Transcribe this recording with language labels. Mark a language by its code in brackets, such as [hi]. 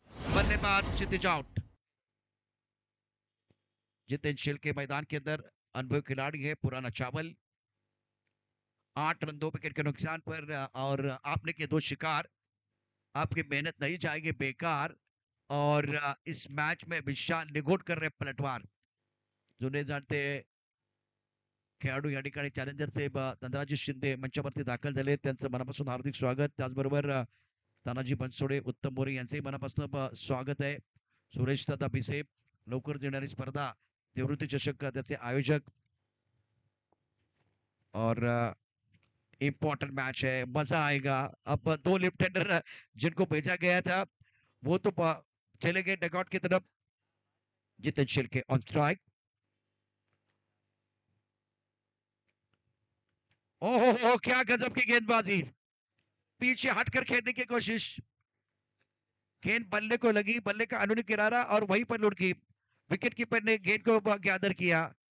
[hi] बल्लेबाज क्षितिज आउट। जितेंद्र शील के मैदान के अंदर, अनुभवी खिलाड़ी है पुराना चावल, 8 रन 2 विकेट के नुकसान पर, और आपने किए 2 शिकार, आपकी मेहनत नहीं जाएगी बेकार। और इस मैच में विशाल निगोट कर रहे पलटवार, जो नहीं जानते [mr] खेळाडू या ठिकाणी चैलेंजर साहेब तंदराजी शिंदे मंचावरती दाखल झाले, त्यांचं मनापासून हार्दिक स्वागत, त्याचबरोबर तानाजी बनसोडे उत्तम मोरे यांचंही मनापासून स्वागत आहे, सुरेश दादा भिसे, लवकरच येणारी स्पर्धा निवृत्ती चषक त्याचे आयोजक, [hi] और इम्पॉर्टेंट मैच है, मजा आएगा। अब 2 लेफ्ट हैंडर जिनको भेजा गया था वो तो चले गए डगआउट की तरफ। जितेंद्र शील के ऑन स्ट्राइक, ओहो क्या गजब की गेंदबाजी, पीछे हटकर खेलने की कोशिश, गेंद बल्ले को लगी, बल्ले का अनुनी किनारा और वहीं पर लुढ़की, विकेट कीपर ने गेंद को गैदर किया।